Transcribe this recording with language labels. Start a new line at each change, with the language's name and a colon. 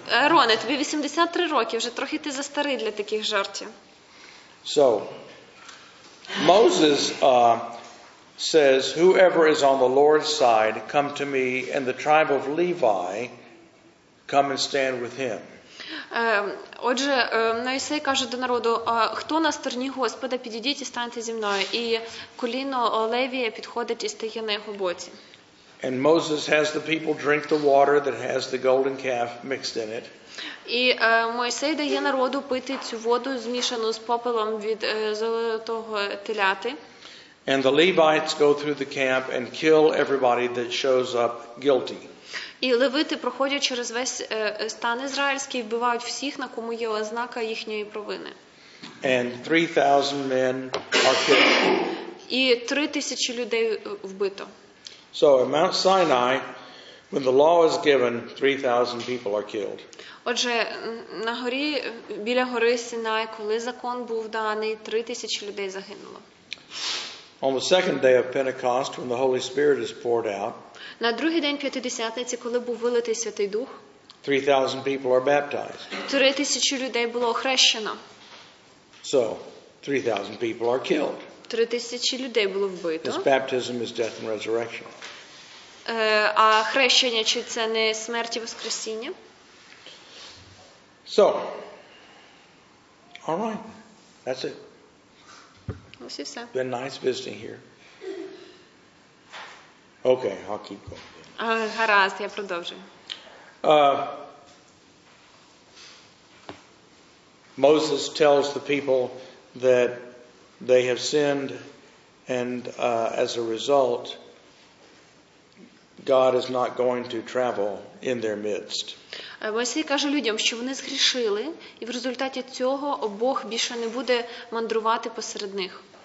Ukrainian: Роне, тобі 83 роки, вже трохи ти застарий для таких жартів.
English: So, Moses says, whoever is on the Lord's side, come to me, and the tribe of Levi, come and stand with him.
Ukrainian: Отже, Мойсей каже до народу, хто на стороні Господа, підійдіть і станьте зі мною. І коліно Левія підходить і стає на його боці.
English: And Moses has the people drink the water that has the golden calf mixed in it.
Ukrainian: І Мойсей дає народу пити цю воду, змішану з попелом від золотого теляти.
English: And the Levites go through the camp and kill everybody that shows up guilty.
Ukrainian: І левити проходять через весь стан ізраїльський і вбивають всіх, на кому є ознака їхньої провини.
English: And 3,000 men are killed.
Ukrainian: І 3,000 людей вбито.
English: So at Mount Sinai, when the law is given, 3,000 people are killed.
Ukrainian: Отже, на горі, біля гори Синай, коли закон був даний, 3,000 людей загинуло.
English: On the second day of Pentecost, when the Holy Spirit is poured out,
Ukrainian: на другий день П'ятидесятниці, коли був вилитий Святий Дух,
English: 3,000 people are baptized.
Ukrainian: 3,000 людей було охрещено.
English: So, 3,000 people are killed.
Ukrainian: 3,000 людей було вбито.
English: This baptism is death and resurrection.
Ukrainian: А хрещення, чи це не смерть і воскресіння?
English: So, all right, that's it.
Ukrainian: Ось і все.
English: Been nice visiting here. Okay, I'll keep going.
Ukrainian: Гаразд, я продовжую.
English: Moses tells the people that they have sinned, and as a result, God is not going to travel in their midst.
Ukrainian: Мойсей каже людям, що вони згрішили, і в результаті цього Бог більше не буде мандрувати посеред них.